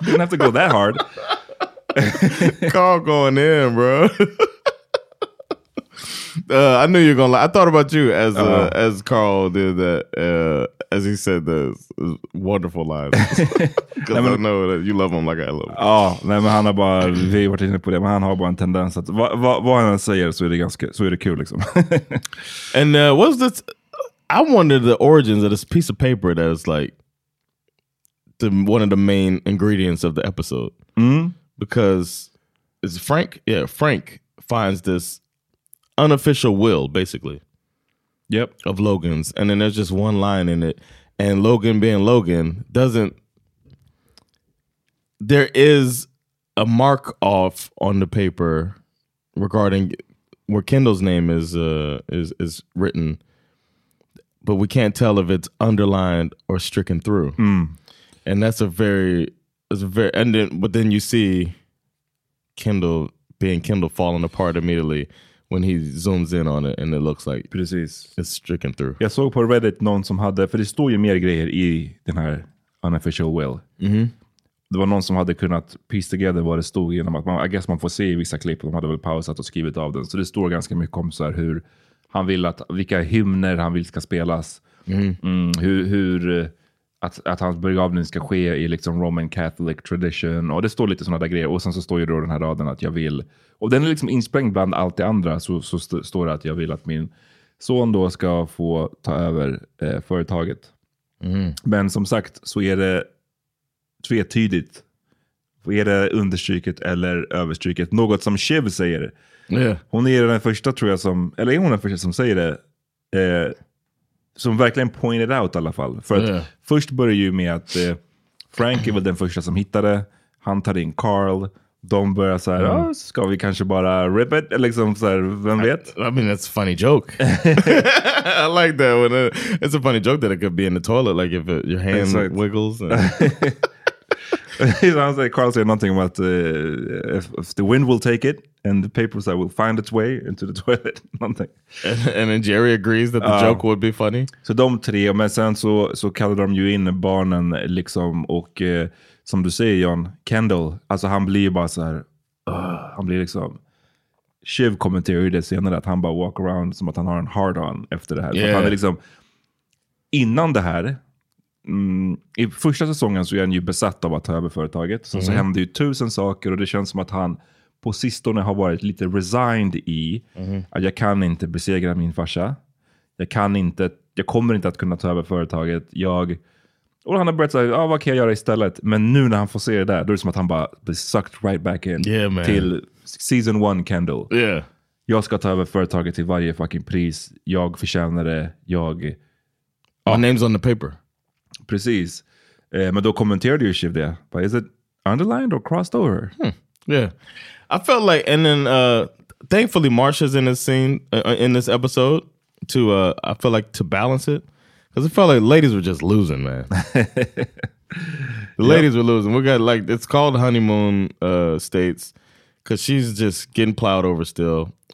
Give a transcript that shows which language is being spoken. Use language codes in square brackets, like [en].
[en] Didn't have to go that hard. Carl going in, bro. I knew you were going to lie. I thought about you as Carl did that, as he said those wonderful lines. Because I know that you love him like I love him. [sv] Ja, nej, men han har bara, vi har varit inne på det, men han har bara en tendens att vad han säger så är det ganska, så är det kul liksom. [en] And what's this, I wonder the origins of this piece of paper that is like the one of the main ingredients of the episode. Because is Frank, yeah, Frank finds this unofficial will, basically. Yep. Of Logan's. And then there's just one line in it. And Logan being Logan doesn't... There is a mark off on the paper regarding where Kendall's name is written. But we can't tell if it's underlined or stricken through. And that's a very... But then you see Kendall being Kendall falling apart immediately when he zooms in on it and it looks like, [sv] precis, [en] it's stricken through. [sv] Jag såg på Reddit någon som hade, för det står ju mer grejer i den här [en] unofficial will. [sv] Det var någon som hade kunnat [en] piece together [sv] vad det stod genom att man, [en] I guess [sv] man får se i vissa klipp, de hade väl pausat och skrivit av den. Så det står ganska mycket om så här hur han vill att, vilka hymner han vill ska spelas. Hur att hans begravning ska ske i liksom [en] Roman Catholic tradition, [sv] och det står lite sådana där grejer, och sen så står ju då den här raden att jag vill, och den är liksom insprängd bland allt det andra, så står det att jag vill att min son då ska få ta över företaget. Mm. Men som sagt så är det tvetydigt. Är det understryket eller överstryket? Något som Shiv säger. [en] Yeah. [sv] Hon är den första tror jag som, eller är hon den första som säger det? Som verkligen [en] pointed out [sv] i alla fall. För att först börjar ju med att Frank är väl den första som hittade. Han tar in Carl. De börjar så här, ska vi kanske bara [en] rip it? [sv] Eller liksom så här, vem vet? [en] I mean, that's a funny joke. I like that one. It's a funny joke that it could be in the toilet. Like if it, your hand exactly. wiggles. And... I was like, Carl said nothing about if the wind will take it and the papers that will find its way into the toilet. Nothing. And then Jerry agrees that the joke would be funny. [sv] Så de tre, men sen så kallar de ju in barnen liksom och... Som du säger, John, Kendall, alltså han blir ju bara så här, han blir liksom, Shiv kommenterar ju det senare, att han bara [en] walk around [sv] som att han har en [en] hard on [sv] efter det här. [en] Yeah. [sv] Han är liksom, innan det här, i första säsongen så är han ju besatt av att ta över företaget. Sen så händer ju tusen saker och det känns som att han på sistone har varit lite [en] resigned [sv] i att jag kan inte besegra min farsa. Jag kan inte, jag kommer inte att kunna ta över företaget. Och han har börjat säga, vad kan jag göra istället? Men nu när han får se det där, då är det som att han bara blir [en] sucked right back in [sv] till [en] season one [sv] Kendall. [en] Yeah. [sv] Jag ska ta över företaget till varje fucking pris. Jag förtjänar det. Jag... [en] My name's on the paper. [sv] Precis. Men då kommenterade ju Shiv det. [en] But is it underlined or crossed over? Hmm. Yeah. I felt like, and then thankfully Marsha's in this scene, in this episode, to, I feel like to balance it. Because it felt like ladies were just losing, man. ladies were losing. We got like, it's called honeymoon states because she's just getting plowed over still.